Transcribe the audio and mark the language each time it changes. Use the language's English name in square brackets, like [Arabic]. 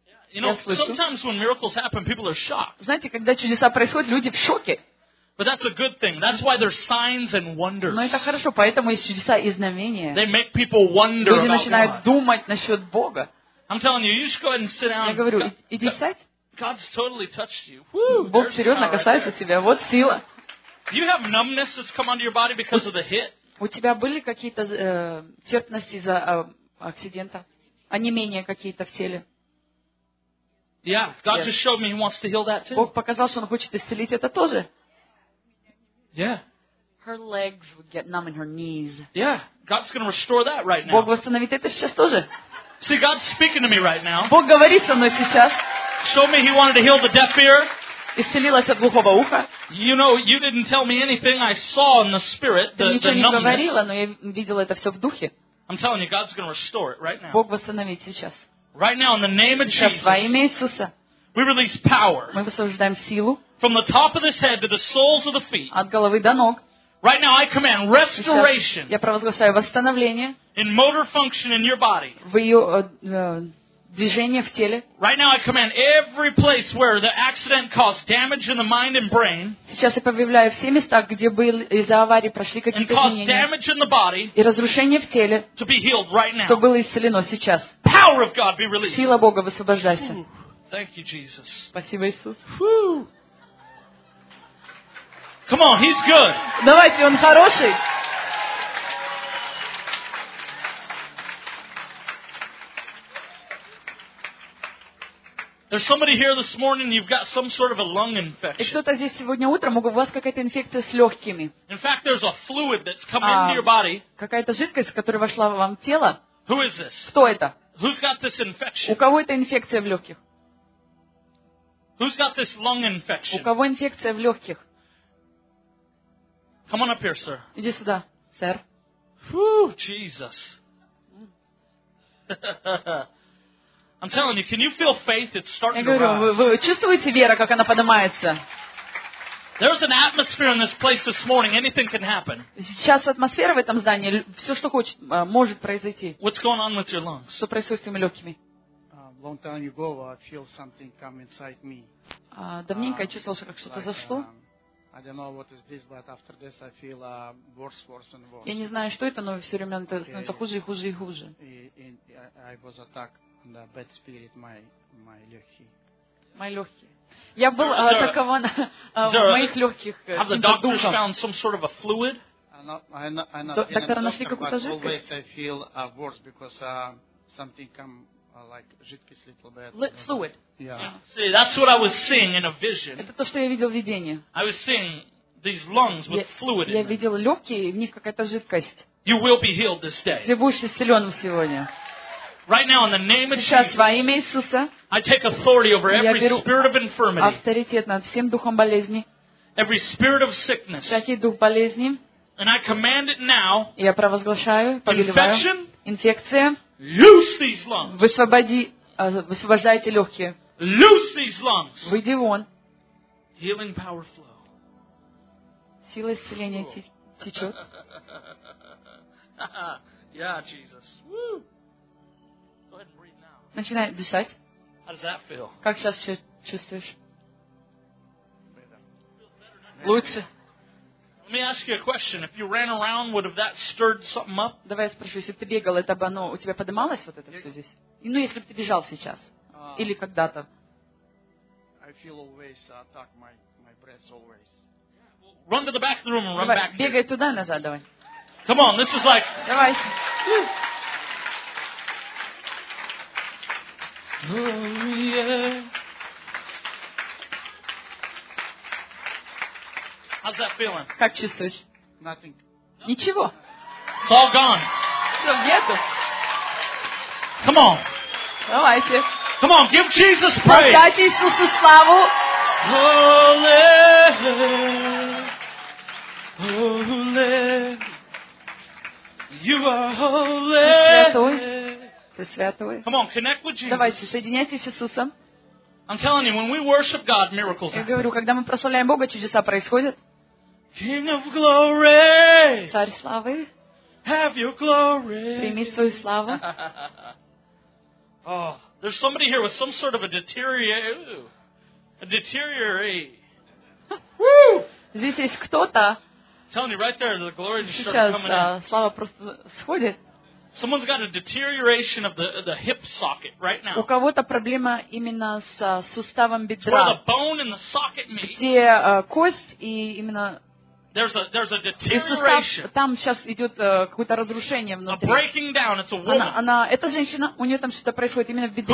[English] You know, sometimes when miracles happen, people are shocked. [Russian] Знаете, когда чудеса происходят, люди в шоке. [English] But that's a good thing. That's why there's signs and wonders. [Russian] Но это хорошо, поэтому есть чудеса и знамения. [English] They make people wonder. [Russian] Люди начинают думать насчет Бога. [English] I'm telling you, you should go ahead and sit down. [Russian] Я говорю, иди сядь. [English] God's totally touched you. [Russian] Бог серьезно касается тебя. Вот сила. [English] You have numbness that's come onto your body because of the hit. [Russian] У тебя были какие-то терпности из-за акцидента? Онемения какие-то в теле? [English] Yeah, God just showed me He wants to heal that too. [Russian] Бог показал, что Он хочет исцелить это тоже. [English] Yeah. Her legs would get numb in her knees. Yeah, God's going to restore that right now. [Russian] Бог восстановит это сейчас тоже. [English] See, God's speaking to me right now. [Russian] Бог говорит со мной сейчас. [English] Show me He wanted to heal the deaf ear. [Russian] Исцелилась от глухого уха. [English] You know, you didn't tell me anything. I saw in the spirit the numbness. [Russian] Ты ничего не говорила, но я видела это все в духе. [English] I'm telling you, God's going to restore it right now. [Russian] Бог восстановит сейчас. [English] Right now, in the name of Jesus. [Russian] Во имя Иисуса. [English] We release power. [Russian] Мы высвобождаем силу. [English] From the top of this head to the soles of the feet. [Russian] От головы до ног. [English] Right now, I command restoration. [Russian] Я провозглашаю восстановление. [English] In motor function in your body. [Russian] В ее движение в теле. [English] Right now I command every place where the accident caused damage in the mind and brain. [Russian] Сейчас я повелеваю все места, где был из-за аварии прошли какие-то изменения. [English] And caused damage in the body. [Russian] И разрушение в теле. [English] To be healed right now. [Russian] Чтобы было исцелено сейчас. [English] Power of God be released. [Russian] Сила Бога высвобождайся. [English] Thank you, Jesus. [Russian] Спасибо, Иисус. [English] Come on, he's good. [Russian] Давайте, он хороший. [English] There's somebody here this morning, you've got some sort of a lung infection. [Russian] И кто-то здесь сегодня утром, у вас какая-то инфекция с легкими. [English] In fact, there's a fluid that's come into your body. [Russian] Какая-то жидкость, которая вошла в вам в тело. [English] Who is this? [Russian] Кто это? [English] Who's got this infection? [Russian] У кого эта инфекция в легких? [English] Who's got this lung infection? [Russian] У кого инфекция в легких? [English] Come on up here, sir. [Russian] Иди сюда, сэр. [English] Whew, Jesus. I'm telling you, can you feel faith? It's starting to rise. [Russian] Я говорю, вы чувствуете веру, как она поднимается? [English] There's an atmosphere in this place this morning. Anything can happen. [Russian] Сейчас атмосфера в этом здании, все, что хочет, может произойти. [English] What's going on with your lungs? [Russian] Что происходит с твоими легкими? [English] Long time ago, I feel something come inside me. [Russian] Давненько я чувствовал, как что-то зашло. [English] I don't know what is this, but after this I feel worse and worse. [Russian] Я не знаю, что это, но все время это становится хуже и хуже и хуже. [English] I was attacked by bad spirit, my [Russian] легкие. Мои легкие. Я был атакован моих легких. [English] Have the doctors found some sort of a fluid? [Russian] Доктора нашли какую-то жидкость. [English] I feel worse because something come. Like [Russian] жидкость [English] little bit. Let fluid. Yeah. See, that's what I was seeing in a vision. [Russian] Это то, что я видел в видении. [English] I was seeing these lungs with fluid in them. [Russian] Я видел легкие, в них какая-то жидкость. [English] You will be healed this day. [Russian] Ты будешь исцелен сегодня. [English] Right now, in the name of Jesus. [Russian] Сейчас во имя Иисуса. [English] I take authority over every spirit of infirmity. [Russian] Авторитет над всем духом болезни. [English] Every spirit of sickness. [Russian] Всякий дух болезни. [English] And I command it now. [Russian] Я провозглашаю, повелеваю. [English] Infection. [Russian] Инфекция. [English] Loose these lungs. [Russian] Высвобождайте легкие. [English] Loose these lungs. [Russian] Выйди вон. [English] Healing power flow. [Russian] Сила исцеления течет. [English] Yeah, Jesus. Woo. Go ahead and breathe now. [Russian] Начинай дышать. [English] How does that feel? [Russian] Как сейчас чувствуешь? Лучше. [English] Let me ask you a question. If you ran around, would have that stirred something up? [Russian] Давай я спрошу, если ты бегал, это бы оно у тебя поднималось вот это все здесь? Ну, если бы ты бежал сейчас или когда-то. [English] I feel always attack my breath always. Run to the back of the room and run [Russian] давай, [English] back. [Russian] Бегай туда и назад, давай. [English] Come on, this is like. [Russian] Давай. [English] Oh yeah. How's that feeling? [Russian] Как чувствуешь? [English] Nothing. [Russian] Ничего. [English] It's all gone. [Russian] Все где-то. [English] Come on. [Russian] Давайте. [English] Come on, give Jesus praise. [Russian] Отдайте Иисусу славу. [English] Holy, holy, you are holy. [Russian] Ты святой. [English] Come on, connect with Jesus. [Russian] Давайте, соединяйтесь с Иисусом. [English] I'm telling you, when we worship God, miracles happen. [Russian] Я говорю, когда мы прославляем Бога, чудеса происходят. [English] King of glory, [Russian] царь славы, [English] have your glory. [Russian] Прими свою славу. [English] Oh, there's somebody here with some sort of a deteriorate. [Russian] Здесь есть кто-то. [English] Telling you right there, the glory just [Russian] сейчас, [English] started coming in. [Russian] Слава просто сходит. [English] Someone's got a deterioration of the hip socket right now. [Russian] У кого-то проблема именно с суставом бедра. [English] Where the bone in the socket meet. [Russian] Где кость и именно [English] There's a deterioration. [Russian] Там сейчас идет какое-то разрушение внутри. [English] A breaking down. It's a woman. [Russian] Она, эта женщина, у нее там что-то происходит именно в бедре.